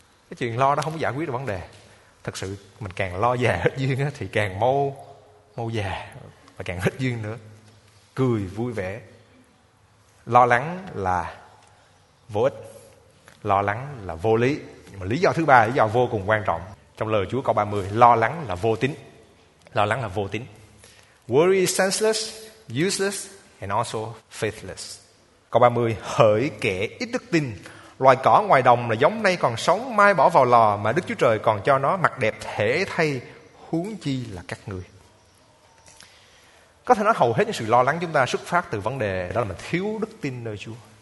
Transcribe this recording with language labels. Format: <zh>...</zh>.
<vi>Cái chuyện lo đó không giải quyết được vấn đề. Thật sự mình càng lo già hết duyên thì càng mau già và càng hết duyên nữa. Cười vui vẻ. Lo lắng là vô ích. Lo lắng là vô lý. Nhưng mà lý do thứ ba, lý do vô cùng quan trọng trong lời Chúa câu 30, lo lắng là vô tín. Lo lắng là vô tín.</vi> <en>Worry is senseless, useless and also faithless.</en> <vi>Câu 30, hỡi kẻ ít đức tin, loài cỏ ngoài đồng là giống nay còn sống, mai bỏ vào lò mà Đức Chúa Trời còn cho nó mặt đẹp thể thay, huống chi là các người. Có thể nói hầu hết những sự lo lắng chúng ta xuất phát từ vấn đề đó là mình thiếu đức tin nơi Chúa.</vi>